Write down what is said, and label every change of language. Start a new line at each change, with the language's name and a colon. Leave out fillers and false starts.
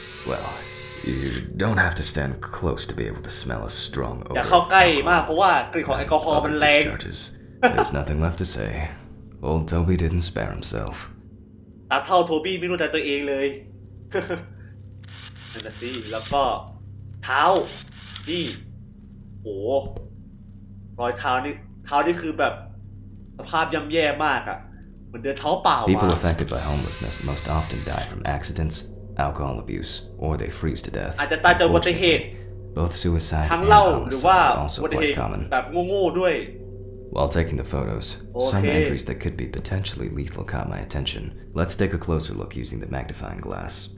English: Well you don't have to stand close to be able to smell a strong odor
Thai: อย่าเข้าใกล้มากเพราะว่ากลิ่นของแอลกอฮอล์มันแรง
English: There's nothing left to say. Old Toby didn't spare himself.
Thai: ตาเท่าโทบี้ไม่รู้แต่ตัวเองเลยนั่นสิแล้วก็เท้านี่โหรอยเท้านี่เท้านี่คือแบบสภาพย่ำแย่มากอ่ะเหมือนเดินเท้าเปล่าอ่ะ
English: People affected by homelessness most often die from accidents, alcohol abuse, or they freeze to death.
Thai: อาจจะตายจากอุบัติเหตุ
English: Both suicide and homelessness are also quite common.
Thai: แบบโง่ๆด้วย
English: While taking the photos, okay. some entries that could be potentially lethal caught my attention. Let's take a closer look using the magnifying glass.